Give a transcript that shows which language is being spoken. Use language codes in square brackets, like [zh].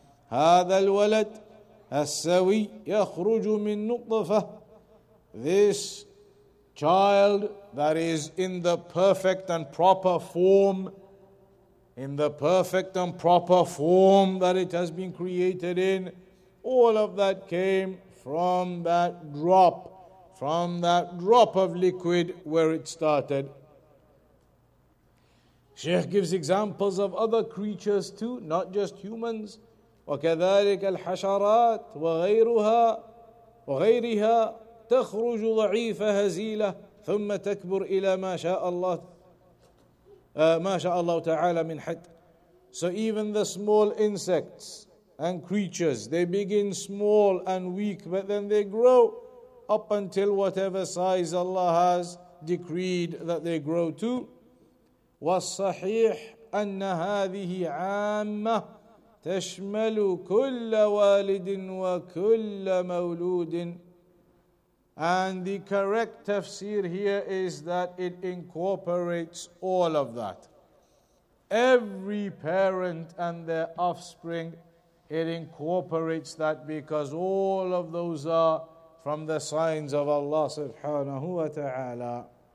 [ar] هذا الولد السوي يخرج من نطفة. [en] This child that is in the perfect and proper form, in the perfect and proper form that it has been created in. All of that came from that drop of liquid where it started. Sheikh gives examples of other creatures too, not just humans. [ar] وَكَذَلِكَ الْحَشَرَاتِ وَغَيْرِهَا تَخْرُجُ ضَعِيفَ هَزِيلَةِ ثُمَّ تَكْبُرْ إِلَى مَا شَاءَ اللَّهُ مَا شَاءَ اللَّهُ تَعَالَى مِنْ حَدٍ. [en] So even the small insects and creatures, they begin small and weak, but then they grow up until whatever size Allah has decreed that they grow to. [ar] وَالصَّحِيحُ أَنَّ هَذِهِ عَامَّةِ تشمل كل والد وكل مولود. [en] And the correct tafsir here is that it incorporates all of that. Every parent and their offspring, it incorporates that, because all of those are from the signs of Allah subhanahu wa ta'ala.